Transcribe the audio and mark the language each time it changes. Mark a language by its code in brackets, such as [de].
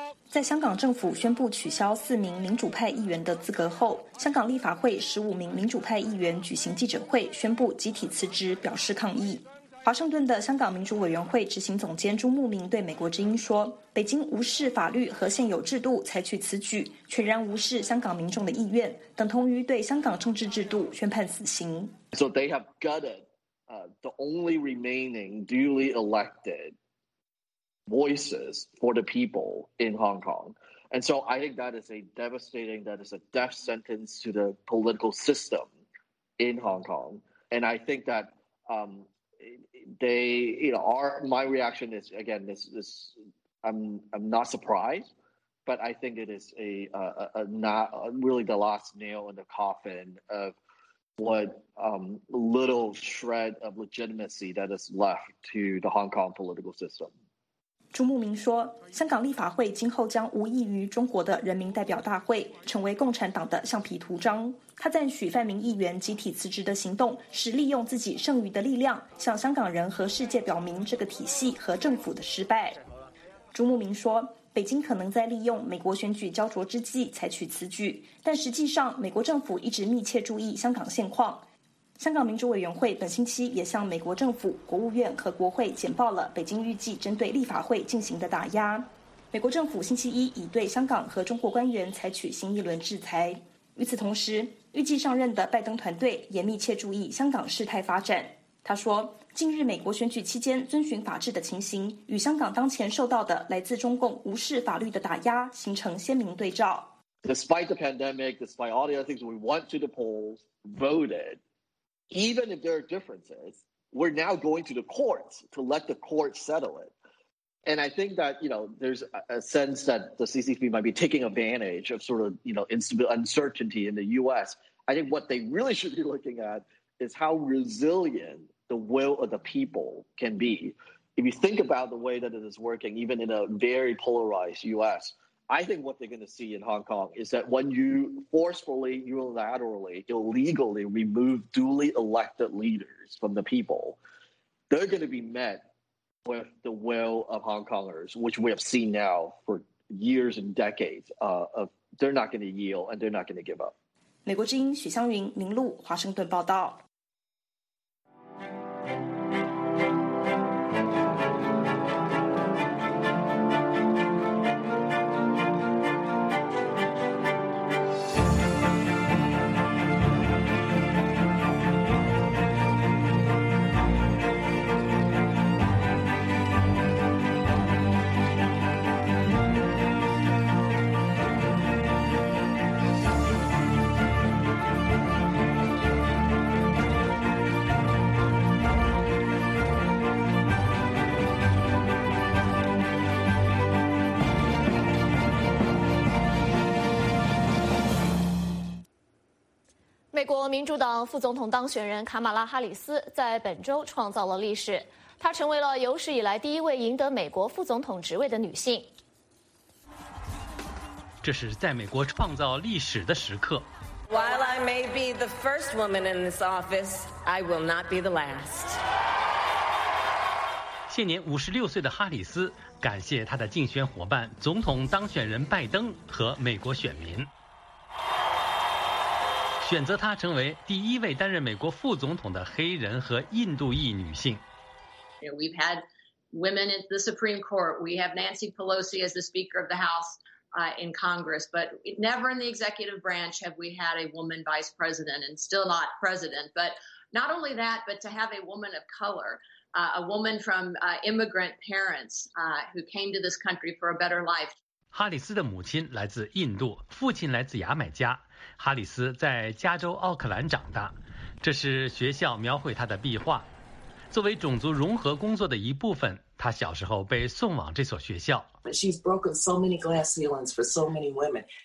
[zh] 在香港政府宣布取消四名民主派议员的资格后，香港立法会15名民主派议员举行记者会，宣布集体辞职表示抗议。华盛顿的香港民主委员会执行总监朱慕明对美国之音说，北京无视法律和现有制度采取此举，全然无视香港民众的意愿，等同于对香港政治制度宣判死刑。 [en] So they have gutted the only remaining duly electedvoices for the people in Hong Kong. And so I think that is a devastating, that is a death sentence to the political system in Hong Kong. And I think that my reaction is, again, this I'm not surprised, but I think it is really the last nail in the coffin of what little shred of legitimacy that is left to the Hong Kong political system. [zh] 朱慕明说，香港立法会今后将无异于中国的人民代表大会，成为共产党的橡皮图章。他赞许泛民议员集体辞职的行动是利用自己剩余的力量向香港人和世界表明这个体系和政府的失败。朱慕明说，北京可能在利用美国选举焦灼之际采取此举，但实际上美国政府一直密切注意香港现况。香港民主委员会本星期也向美国政府、国务院和国会简报了北京预计针对立法会进行的打压。美国政府星期一已对香港和中国官员采取新一轮制裁。与此同时，预计上任的拜登团队也密切注意香港事态发展。他说，近日美国选举期间遵循法治的情形与香港当前受到的来自中共无视法律的打压形成鲜明对照。 [en] Despite the pandemic, despite all the other things, we went to the polls, voted. Even if there are differences, we're now going to the courts to let the courts settle it. And I think that, you know, there's a sense that the CCP might be taking advantage of sort of, you know, uncertainty in the U.S. I think what they really should be looking at is how resilient the will of the people can be. If you think about the way that it is working, even in a very polarized U.S., I think what they're going to see in Hong Kong is that when you forcefully, unilaterally, illegally remove duly elected leaders from the people, they're going to be met with the will of Hong Kongers, which we have seen now for years and decades. They're not going to yield and they're not going to give up. [zh] 美国之音许湘云、林露，华盛顿报道。民主党副总统当选人卡马拉·哈里斯在本周创造了历史，她成为了有史以来第一位赢得美国副总统职位的女性。这是在美国创造历史的时刻。 [en] While I may be the first woman in this office, I will not be the last. [zh] 现年56岁的哈里斯感谢她的竞选伙伴总统当选人拜登和美国选民。选择她成为第一位担任美国副总统的黑人和印度裔女性。 [en] We've had women at the Supreme Court. We have Nancy Pelosi as the Speaker of the House. in Congress, but never in the executive branch have we had a woman vice president, and still not president. But not only that, but to have a woman of color, a woman from immigrant parents who came to this country for a better life. [zh] 哈里斯的母亲来自印度，父亲来自牙买加。哈里斯在加州奥克兰长大，这是学校描绘他的壁画。作为种族融合工作的一部分，他小时候被送往这所学校。 [en] She's broken so many glass ceilings for so many women.